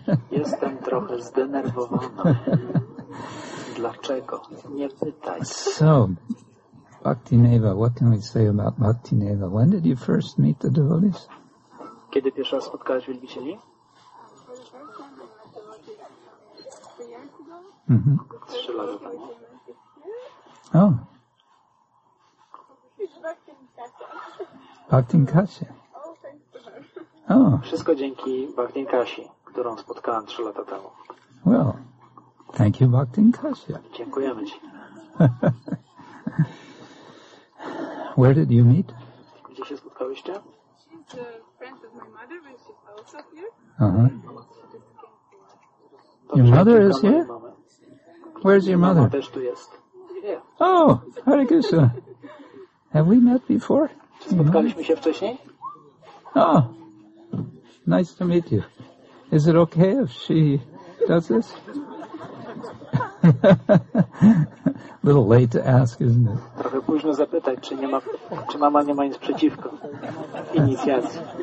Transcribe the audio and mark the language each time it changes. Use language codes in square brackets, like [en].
[pl] Jestem trochę zdenerwowana. Dlaczego? Nie pytaj. [en] So, Bhaktineva, what can we say about Bhaktineva? When did you first meet the devotees? [pl] Kiedy pierwszy raz spotkałeś wielbicieli? Mm-hmm. Oh. [en] Bhaktin Kasi. Oh. [pl] Wszystko dzięki Bhaktin Kasi, którą spotkałem 3 lata temu. [en] Well, thank you, Bhaktin Kasi. [pl] Dziękujemy ci. [en] Where did you meet? [pl] Gdzie się spotkałeś? [en] She's a friend of my mother, but she's also here. Uh-huh. Your mother is here? Where's your mother? [pl] Mama też tu jest. [en] Oh, Hare Krishna. Have we met before? [pl] Czy spotkaliśmy się wcześniej? [en] Oh, nice to meet you. Is it okay if she does this? A little late to ask, isn't it? [pl] Trochę późno zapytać, czy nie ma, czy mama nie ma nic przeciwko inicjacji.